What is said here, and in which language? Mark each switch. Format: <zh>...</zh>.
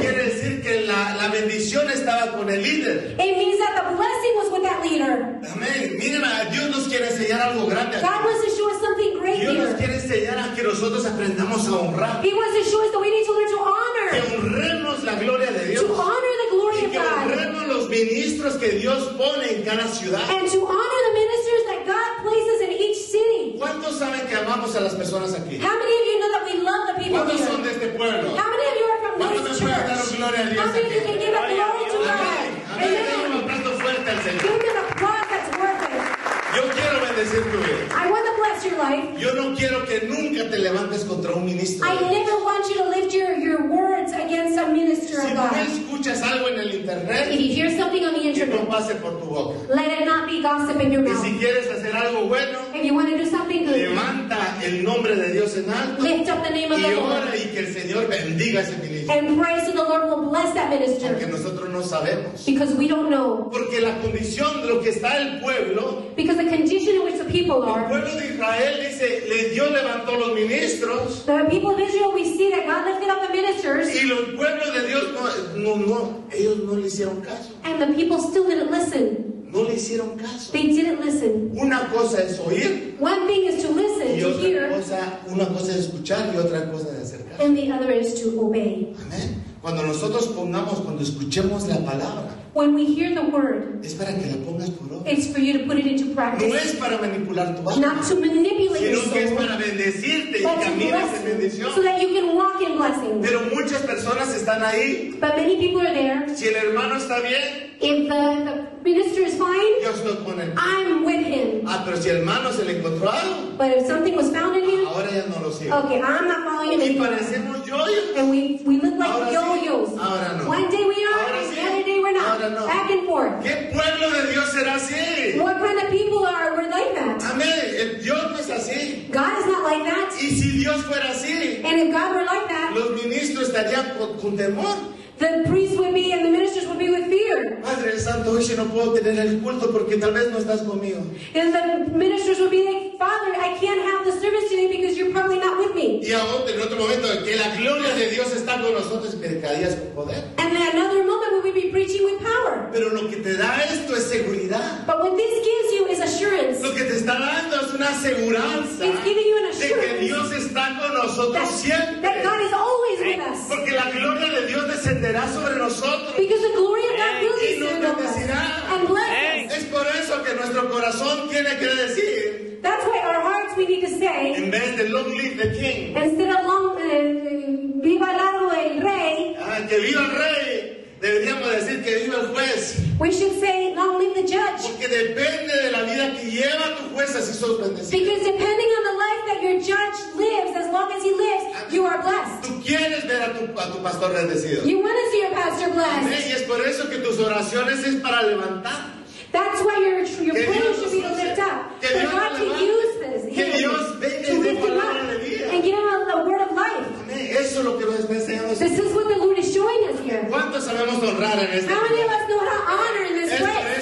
<es>Quiere decir que la bendición estaba con el líder.</es> <en>It means that the blessing was with that leader.</en> <es>Amén. Miren, Dios nos quiere enseñar algo grande.</es> <en>God wants to show us something great here.</en> <es>Dios nos quiere enseñar a que nosotros aprendamos a honrar.</es> <en>He wants to show us that we need to learn to honor.</en> <es>Que honremos la gloria de Dios.</es> <en>To honor the glory of God.</en> <es>Y que honremos los ministros que Dios pone en cada ciudad.</es> <en>And to honor the ministers that God places in each city.</en> <es>¿Cuántos saben que amamos a las personas aquí?</es> <en>How many of you know that we love the people?</en> <es>¿Cuántos son de este pueblo?</es> <en>How many of you are from this church?</en> <es>¿Cuántos me pueden dar gloria a Dios?</es> <en>How many of you can give a glory to God?</en> <es>Amén. Amén. Amén. Amén. Amén. Amén. Amén. Yo quiero bendecir tu vida.</es> <en>I want to bless your life.</en> <es>Yo no quiero que nunca te levantes contra un ministro.</es> <en>I never want you to lift your words against a minister</en> <es>si</es> <en>of God.</en> <es>Si tú escuchas algo en el internet,</es> <en>if you hear something on the internet,</en> <es>que no pase por tu boca.</es> <en>Let it not be gossip in your mouth.</en> <es>Y si quieres hacer algo bueno,</es> <en>if you want to do something good,</en> <es>levanta el nombre de Dios en alto.</es> <en>Lift up the name of the Lord.</en> <es>Y ora y que el Señor bendiga ese ministro.</es> <en>And pray so the Lord will bless that minister.</en> <es>Porque nosotros no sabemos.</es> <en>Because we don't know.</en> <es>Porque la condición de lo que está el pueblo.</es> <en>Because the condition in which the people are.</en> <es>El pueblo de Israel dice, le dio levantó los ministros.</es> <en>The people of Israel, we see that God lifted up the ministers.</en> <es>Y los pueblos de Dios no, ellos no le hicieron caso.</es> <en>And the people still didn't listen.</en> <es>No le hicieron caso.</es> <en>They didn't listen.</en> <es>Una cosa es oír.</es> <en>One thing is to listen,</en> <es>y otra</es> <en>to hear.</en> <es>Cosa, una cosa es escuchar y otra cosa es hacer caso.</es> <en>And the other is to obey.</en> <es>Amén. Cuando nosotros pongamos, cuando escuchemos la palabra.</es> <en>When we hear the word,</en> <es>es para que la pongas por obra.</es> <en>It's for you to put it into practice.</en> <es>No es para manipular tu alma,</es> <en>not to manipulate</en> <es>sino</es> <en>your soul,</en> <es>que es para bendecirte y caminas en bendición.</es> <en>So that you can walk in blessing.</en> <es>Pero muchas personas están ahí.</es> <en>But many people are there.</en> <es>Si el hermano está bien,</es> <en>if the minister is fine,</en> <es>Dios lo pone.</es> <en>I'm with him. A</en> <es>pero si el hermano se le encontró algo.</es> <en>But if something was found in him.</en> <es>Ahora ya no lo sigo.</es> <en>Okay, I'm not following him.</en> <es>Y parecemos yo-yos.</es> <en>And we look like</en> <es>ahora</es> <en>yo-yos.</en> <es>Sí. Ahora no.</es> <en>One day we are,</en> <es>ahora</es> <en>and</en> <es>sí.</es> <en>The other day we're not.</en> <es>Ahora no.</es> <en>Back and forth.</en> <es>¿Qué pueblo de Dios será así?</es> <en>What kind of people are we like that?</en> <es>Amén. El Dios no es así.</es> <en>God is not like that.</en> <es>Y si Dios fuera así.</es> <en>And if God were like that.</en> <es>Los ministros estarían con temor.</es> <en>The priests would be and the ministers would be with fear.</en> <es>Padre Santo, hoy no puedo tener el culto porque tal vez no estás conmigo.</es> <en>And the ministers would be like, Father, I can't have the service today because you're probably not with me.</en> <es>Y ahora, en otro momento, que la gloria de Dios está con nosotros, predicarías con poder.</es> <en>And then another moment would we be preaching with power.</en> <es>Pero lo que te da esto es seguridad.</es> <en>But what this gives you is assurance.</en> <es>Lo que te está dando es una aseguranza.</es> <en>It's giving you an assurance.</en> <es>De que Dios está con nosotros</es> <en>that,</en> <es>siempre.</es> <en>That God is always</en> <es>sí.</es> <en>With us.</en> <es>Porque la gloria de Dios descenderá sobre nosotros.</es> <en>Because the glory of God will descend on us. And bless us.</en> <es>Es por eso que nuestro corazón tiene que decir.</es> <en>That's why our hearts we need to say.</en> <es>En vez de</es> <en>long live the king. Instead of long</en> <es>viva largo el rey. Que viva el rey. Deberíamos decir que viva el juez.</es> <en>We should say long live the judge.</en> <es>Porque depende de la vida que lleva tu juez así sos bendecido.</es> <en>Because depending on the life that your judge lives, as long as he lives, you are blessed.</en> <es>Tú quieres ver a tu pastor bendecido.</es> <en>You want to see your pastor blessed.</en> <es>Amén. Y es por eso que tus oraciones es para levantar.</es> <en>That's why your prayer should be lifted up. For God to use this, him, to lift him up and give him a word of life. This is what the Lord is showing us here. How many of us know how to honor in this way?</en>